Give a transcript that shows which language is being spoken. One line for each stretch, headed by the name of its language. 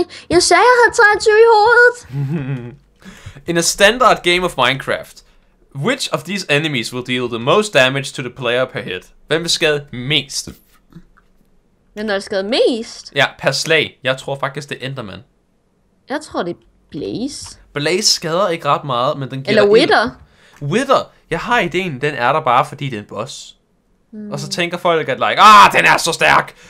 Danish: Jeg sagde, jeg havde 23 i hovedet.
English: In a standard game of Minecraft, which of these enemies will deal the most damage to the player per hit?
Danish: Hvem vil skade mest? Hvem er der skade mest? Ja, per slag. Jeg tror faktisk, det er Enderman. Jeg tror, det er Blaze. Blaze skader ikke ret meget, men den giver... Eller Wither. Wither. Jeg har ideen, den er der bare, fordi det er en boss. Og så tænker folk, at like, den er så stærk.